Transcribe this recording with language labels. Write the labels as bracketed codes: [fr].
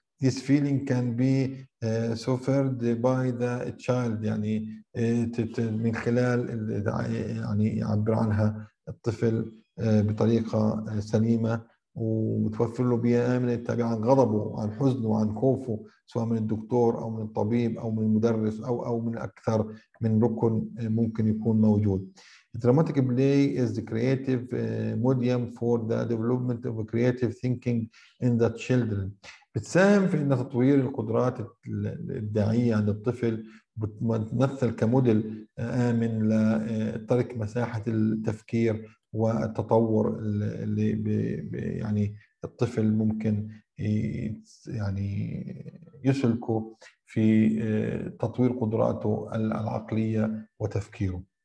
[en] This feeling can be suffered by the child. [ar] يعني من خلال يعني يعبر عنها الطفل بطريقة سليمة وتوفر له بيئة آمنة تابعة عن غضبه عن حزنه عن خوفه سواء من الدكتور أو من الطبيب أو من المدرس أو من أكثر من ركن ممكن يكون موجود. [en] Dramatic play is the creative medium for the development of creative thinking in the children. [ar] بتساهم في إن تطوير القدرات الإبداعية عند الطفل، بتمثل كموديل آمن لترك مساحة التفكير والتطور اللي يعني الطفل ممكن يعني يسلكه في تطوير قدراته العقلية وتفكيره.